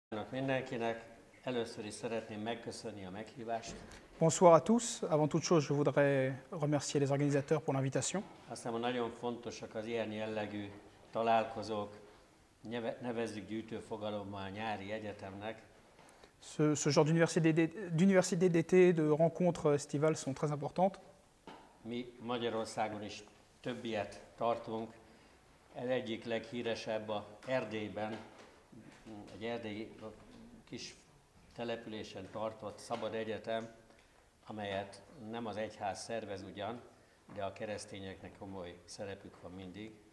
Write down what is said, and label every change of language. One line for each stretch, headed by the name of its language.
Hungarian: mindenkinek először is szeretném megköszönni a meghívást.
French: Bonsoir à tous. Avant toute chose, je voudrais remercier les organisateurs pour l'invitation.
Hungarian: Aztán nagyon fontosak az ilyen jellegű találkozók. Nevezzük gyűjtőfogalommal a nyári egyetemnek.
French: Ce genre d'université d'été, de rencontres estivales sont très importantes.
Hungarian: Mi Magyarországon is több ilyet tartunk. El egyik leghíresebb a Erdélyben, egy erdélyi kis településen tartott szabad egyetem, amelyet nem az egyház szervez ugyan, de a keresztényeknek komoly szerepük van mindig.